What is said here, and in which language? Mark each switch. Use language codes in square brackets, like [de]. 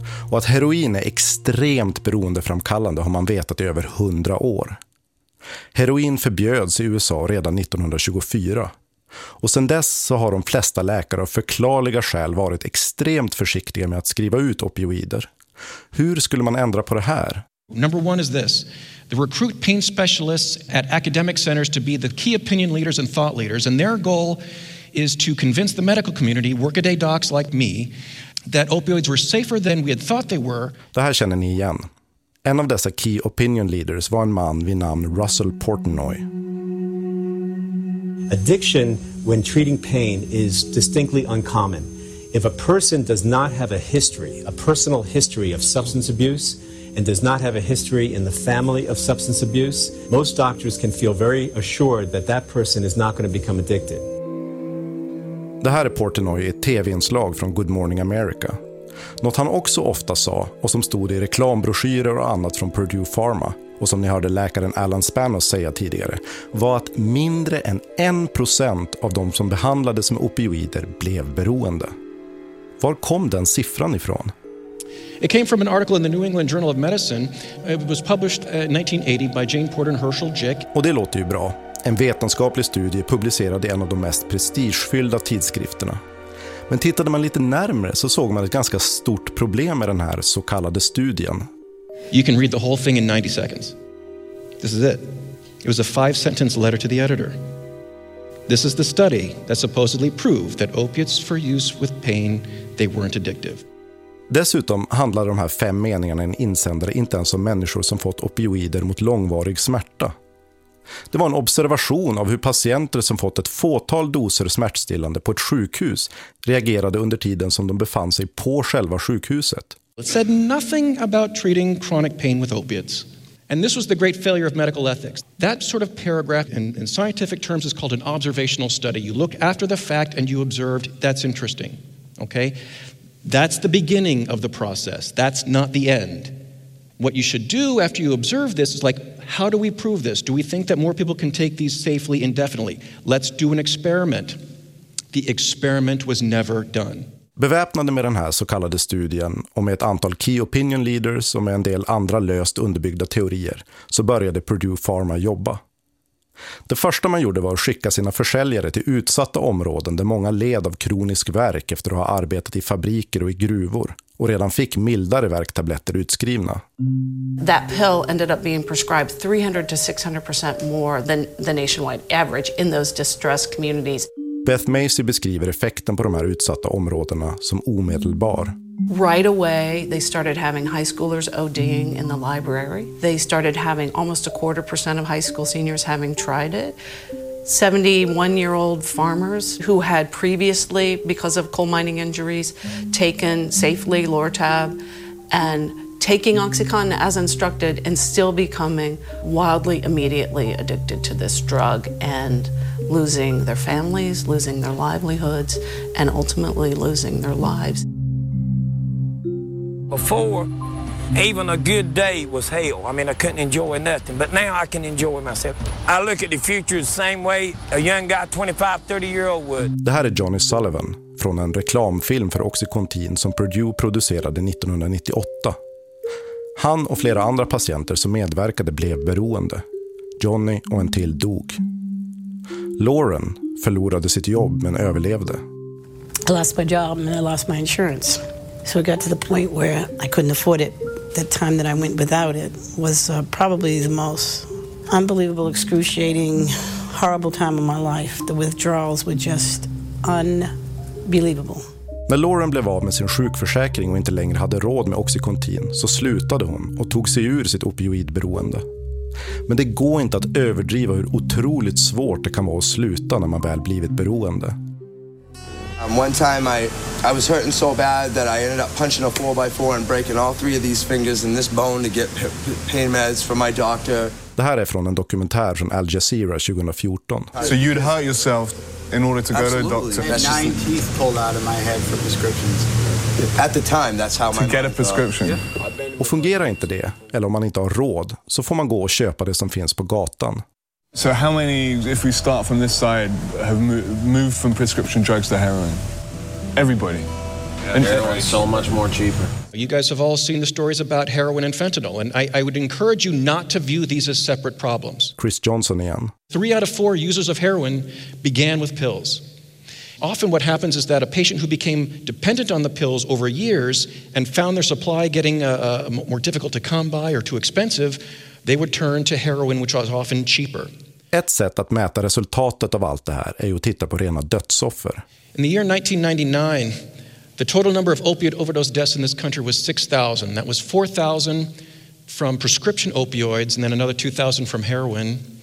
[sv] Och att heroin är extremt beroendeframkallande har man vetat i över 100 år. Heroin förbjöds i USA redan 1924. Och sedan dess så har de flesta läkare av förklarliga skäl varit extremt försiktiga med att skriva ut opioider. Hur skulle man ändra på det här? [en] Number one is this. The recruit pain specialists at academic centers to be the key opinion leaders and thought leaders, and their goal is to convince the medical community, workaday docs like me, that opioids were safer than we had thought they were. [sv] Det här känner ni igen. En av dessa key opinion leaders var en man vid namn Russell Portnoy. [en] Addiction when treating pain is distinctly uncommon. If a person does not have a history, a personal history of substance abuse and does not have a history in the family of substance abuse, most doctors can feel very assured that that person is not going to become addicted. [sv] Det här är Portnoy i ett tv-inslag från Good Morning America. Något han också ofta sa och som stod i reklambroschyrer och annat från Purdue Pharma och som ni hörde läkaren Alan Spanos säga tidigare var att mindre än 1% av de som behandlades med opioider blev beroende. Var kom den siffran ifrån? [en] It came from an article in the New England Journal of Medicine. It was published in 1980 by Jane Porter and Herschel Jick. [sv] Och det låter ju bra. En vetenskaplig studie publicerad i en av de mest prestigefyllda tidskrifterna. Men tittade man lite närmare så såg man ett ganska stort problem med den här så kallade studien. [en] You can read the whole thing in 90 seconds. This is it. It was a 5-sentence letter to the editor. This is the study that supposedly proved that opiates for use with pain, they weren't addictive. [sv] Dessutom handlar de här 5 meningarna i en insändare inte ens om människor som fått opioider mot långvarig smärta. Det var en observation av hur patienter som fått ett fåtal doser smärtstillande på ett sjukhus reagerade under tiden som de befann sig på själva sjukhuset. [en] It said nothing about treating chronic pain with opiates. And this was the great failure of medical ethics. That sort of paragraph in scientific terms is called an observational study. You look after the fact and you observed, that's interesting. Okay? That's the beginning of the process. That's not the end. What you should do after you observe this is like, how do we prove this? Do we think that more people can take these safely indefinitely? Let's do an experiment. The experiment was never done. [sv] Beväpnade med den här så kallade studien och med ett antal key opinion leaders och med en del andra löst underbyggda teorier så började Purdue Pharma jobba. Det första man gjorde var att skicka sina försäljare till utsatta områden där många led av kronisk värk efter att ha arbetat i fabriker och i gruvor och redan fick mildare värktabletter utskrivna. [en] That pill ended up being prescribed 300-600% more than the nationwide average in those distressed communities. [sv] Beth Macy beskriver effekten på de här utsatta områdena som omedelbar. [en] Right away they started having high schoolers ODing in the library. They started having almost 25% of high school seniors having tried it. 71-year-old farmers who had previously, because of coal mining injuries, taken safely Lortab and taking OxyContin as instructed and still becoming wildly immediately addicted to this drug and losing their families, losing their livelihoods and ultimately losing their lives. Before, even a good day was hell. I mean, I couldn't enjoy nothing, but now I can enjoy myself. I look at the future the same way a young guy 25-30-year-old would. [sv] Det här är Johnny Sullivan från en reklamfilm för OxyContin som Purdue producerade 1998. Han och flera andra patienter som medverkade blev beroende. Johnny och en till dog. Lauren förlorade sitt jobb men överlevde. [en] I lost my job and I lost my insurance. So it got to the point where I couldn't afford it. The time that I went without it was probably the most unbelievable, excruciating, horrible time of my life. The withdrawals were just unbelievable. [sv] När Lauren blev av med sin sjukförsäkring och inte längre hade råd med oxycontin så slutade hon och tog sig ur sitt opioidberoende. Men det går inte att överdriva hur otroligt svårt det kan vara att sluta när man väl blivit beroende. [en] One time I was hurting so bad that I ended up punching a 4x4 and breaking all 3 of these fingers in this bone to get pain meds from my doctor. [sv] Det här är från en dokumentär från Al Jazeera 2014. [en] So you'd hurt yourself in order to absolutely. Go to a doctor. I had 9 teeth pulled out of my head for prescriptions. At the time that's how to my to get a prescription. [sv] Och fungerar inte det eller om man inte har råd så får man gå och köpa det som finns på gatan. [en] So how many, if we start from this side, have moved from prescription drugs to heroin? Everybody. Yeah, heroin is so much more cheaper. You guys have all seen the stories about heroin and fentanyl, and I would encourage you not to view these as separate problems. Chris Johnson again. 3 out of 4 users of heroin began with pills. Often what happens is that a patient who became dependent on the pills over years and found their supply getting more difficult to come by or too expensive, they would turn to heroin, which was often cheaper. [sv] Ett sätt att mäta resultatet av allt det här är att titta på rena dödsoffer. [en] In the year 1999, the total number of opioid overdose deaths in this country was 6,000. That was 4,000 from prescription opioids and then another 2,000 from heroin.